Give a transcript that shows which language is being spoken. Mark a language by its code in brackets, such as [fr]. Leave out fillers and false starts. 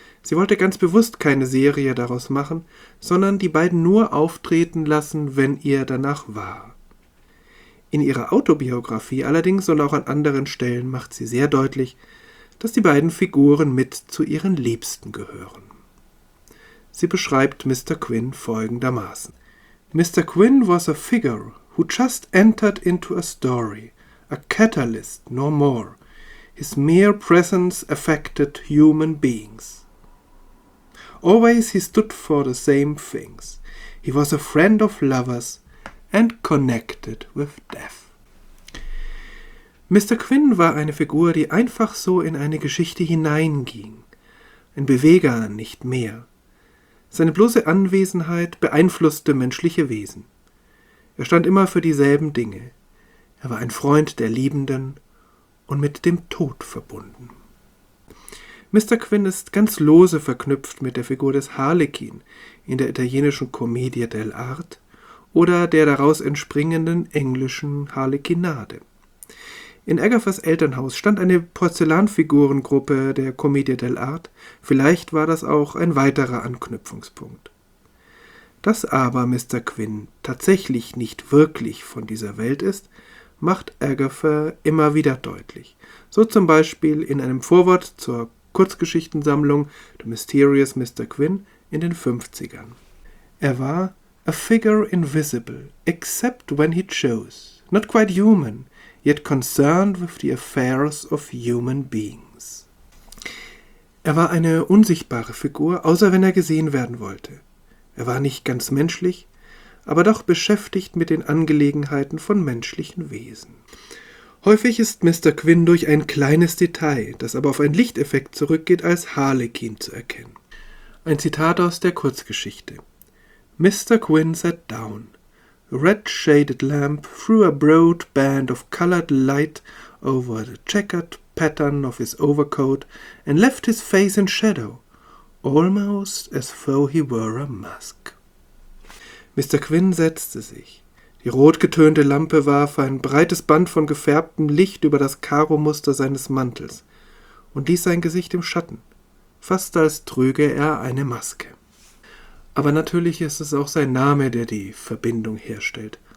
[de] Sie wollte ganz bewusst keine Serie daraus machen, sondern die beiden nur auftreten lassen, wenn ihr danach war. In ihrer Autobiografie allerdings und auch an anderen Stellen macht sie sehr deutlich, dass die beiden Figuren mit zu ihren Liebsten gehören. Sie beschreibt Mr. Quinn folgendermaßen: Mr. [en] Quinn was a figure who just entered into a story, a catalyst, no more. His mere presence affected human beings. Always he stood for the same things. He was a friend of lovers and connected with death. [de] Mr. Quinn war eine Figur, die einfach so in eine Geschichte hineinging. Ein Beweger, nicht mehr. Seine bloße Anwesenheit beeinflusste menschliche Wesen. Er stand immer für dieselben Dinge. Er war ein Freund der Liebenden und mit dem Tod verbunden. Mr. Quinn ist ganz lose verknüpft mit der Figur des Harlekin in der italienischen Commedia dell'arte oder der daraus entspringenden englischen Harlekinade. In Agathas Elternhaus stand eine Porzellanfigurengruppe der Commedia dell'arte, vielleicht war das auch ein weiterer Anknüpfungspunkt. Dass aber Mr. Quinn tatsächlich nicht wirklich von dieser Welt ist, macht Agatha immer wieder deutlich. So zum Beispiel in einem Vorwort zur Kurzgeschichtensammlung The Mysterious Mr. Quinn in den 50ern. Er war [en] a figure invisible, except when he chose, not quite human, yet concerned with the affairs of human beings. [de] Er war eine unsichtbare Figur, außer wenn er gesehen werden wollte. Er war nicht ganz menschlich, aber doch beschäftigt mit den Angelegenheiten von menschlichen Wesen. Häufig ist Mr. Quinn durch ein kleines Detail, das aber auf einen Lichteffekt zurückgeht, als Harlekin zu erkennen. Ein Zitat aus der Kurzgeschichte. [en] Mr. Quinn sat down. A red shaded lamp threw a broad band of colored light over the checkered pattern of his overcoat and left his face in shadow, almost as though he were a mask. [de] Mr. Quinn setzte sich. Die rotgetönte Lampe warf ein breites Band von gefärbtem Licht über das Karomuster seines Mantels und ließ sein Gesicht im Schatten, fast als trüge er eine Maske. Aber natürlich ist es auch sein Name, der die Verbindung herstellt.